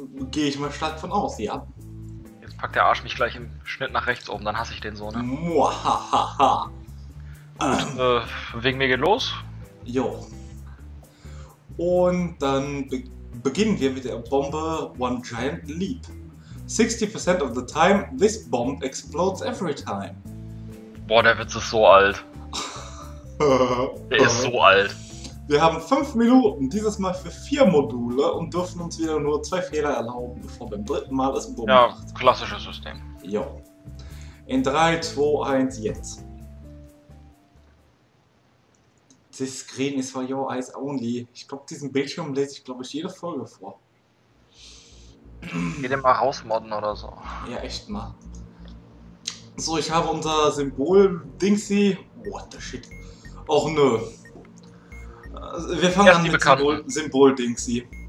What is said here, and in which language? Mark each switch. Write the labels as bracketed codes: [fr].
[de] Gehe ich mal stark von aus, ja. Jetzt packt der Arsch mich gleich im Schnitt nach rechts oben, dann hasse ich den so, ne? Muahaha. Gut, wegen mir geht los. Jo. Und dann beginnen wir mit der Bombe One Giant Leap. [en] 60% of the time, this bomb explodes every time. [de] Boah, der Witz ist so alt. Der ist so alt. Wir haben 5 Minuten, dieses Mal für 4 Module und dürfen uns wieder nur 2 Fehler erlauben, bevor beim dritten Mal es bummt. Ja, klassisches System. Jo. In 3, 2, 1, jetzt. [en] This screen is for your eyes only. [de] Ich glaube, diesen Bildschirm lese ich, glaube ich, jede Folge vor. Geh den mal rausmodden oder so. Ja, echt mal. So, ich habe unser Symbol-Dingsy. [en] What the shit? [de] Och nö. Wir fangen an mit Symbol-Dingsy.